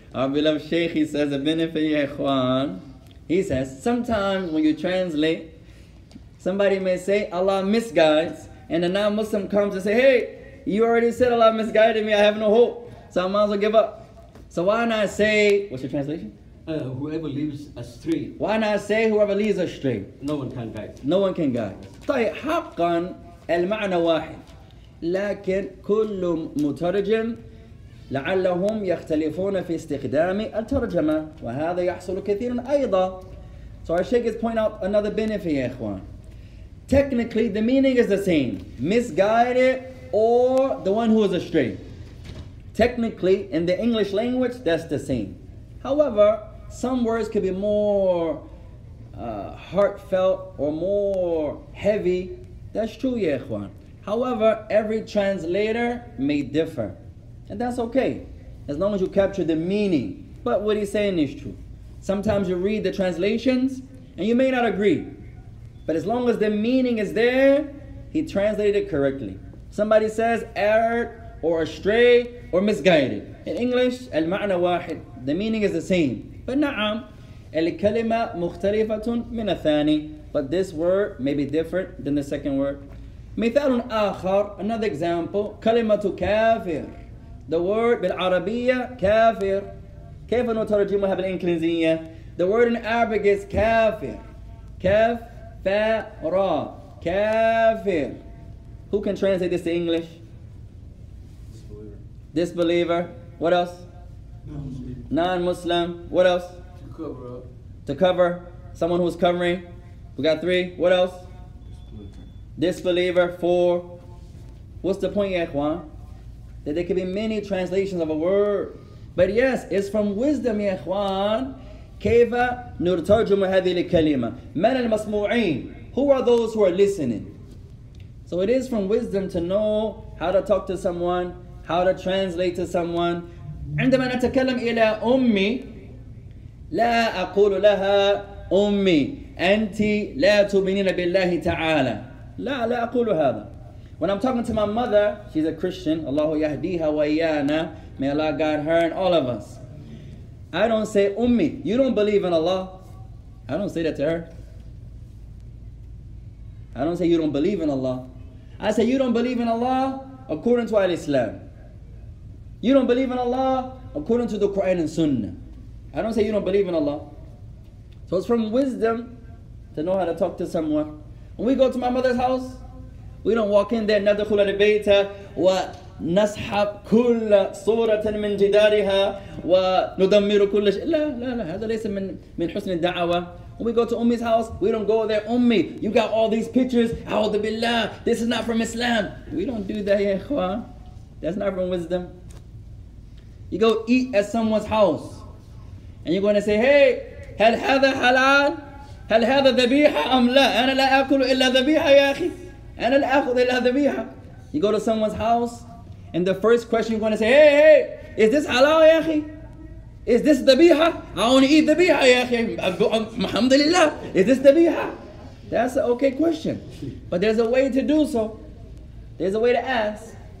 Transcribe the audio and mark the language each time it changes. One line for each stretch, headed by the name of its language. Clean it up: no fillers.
English: Our beloved Sheikh, he says, a benefit, Ikhwan. He says, sometimes when you translate, somebody may say, Allah misguides, and a non-Muslim comes and say, hey, you already said Allah misguided me, I have no hope, so I might as well give up. So why not say, what's your translation? Whoever leaves astray. Why not say whoever leaves astray? No one can guide. No one can guide.
Arabic: طيب حقا المعنى واحد. لكن كل مترجم لعلهم يختلفون في استخدام الترجمة. وهذا يحصل كثيرا أيضا.
English: So our Sheikh is pointing out another benefit, Ikhwan. Technically, the meaning is the same. Misguided or the one who is astray. Technically, in the English language, that's the same. However, some words can be more heartfelt or more heavy. That's true, yeah, Ikhwan. However, every translator may differ. And that's okay, as long as you capture the meaning. But what he's saying is true. Sometimes you read the translations and you may not agree. But as long as the meaning is there, he translated it correctly. Somebody says erred or astray or misguided. In English,
Arabic: المعنى واحد,
English: the meaning is the same.
Arabic: But na'am, الكلمة مختلفة من الثاني.
English: But this word may be different than the second word.
Arabic: مثال آخر,
English: another example,
Arabic: كلمة كافر.
English: The word
Arabic: بالعربية كافر. كيف نترجمها بالإنجليزية؟
English: The word in Arabic is كافر.
Arabic: كاف فرا كافر.
English: Who can translate this to English? Disbeliever. What else? Non-Muslim. What else? To cover up. To cover. Someone who's covering. We got three. What else? Disbeliever. Four. What's the point, Ikhwan? That there can be many translations of a word. But yes, it's from wisdom, Ikhwan.
Arabic: كيف نترجم هذه الكلمة؟ من المسموعين؟
English: Who are those who are listening? So it is from wisdom to know how to talk to someone, how to translate to someone.
Arabic: عندما نتكلم إلى أمي لا أقول لها أمي أنت لا تؤمنين بالله تعالى. لا لا أقول هذا.
English: When I'm talking to my mother, she's a Christian.
Arabic: الله يهديها ويانا.
English: May Allah guide her and all of us. I don't say, Ummi, you don't believe in Allah. I don't say that to her. I don't say you don't believe in Allah. I say you don't believe in Allah according to Al-Islam. You don't believe in Allah according to the Quran and Sunnah. I don't say you don't believe in Allah. So it's from wisdom to know how to talk to someone. When we go to my mother's house, we don't walk in there,
Arabic: نَدْخُلَ الْبَيْتَ
English: wa.
Arabic: نسحب كل صورة من جدارها وندمر كل شيء. لا لا لا هذا ليس من من حسن الدعوة.
English: When we go to Ummi's house, we don't go there. Ummi, you got all these pictures.
Arabic: أعوذ بالله.
English: This is not from Islam. We don't do that,
Arabic: يا إخوان.
English: That's not from wisdom. You go eat at someone's house, and you're going to say, Hey,
Arabic: هل هذا حلال؟ هل هذا ذبيحة أم لا؟ أنا لا أكل إلا ذبيحة يا أخي. أنا لا أخذ إلا ذبيحة.
English: You go to someone's house, and the first question you're going to say, hey, hey, is this halal, ya akhi? Is this dhabiha? I only eat dhabiha, ya akhi. Alhamdulillah, is this dhabiha? That's an okay question. But there's a way to do so. There's a way to ask.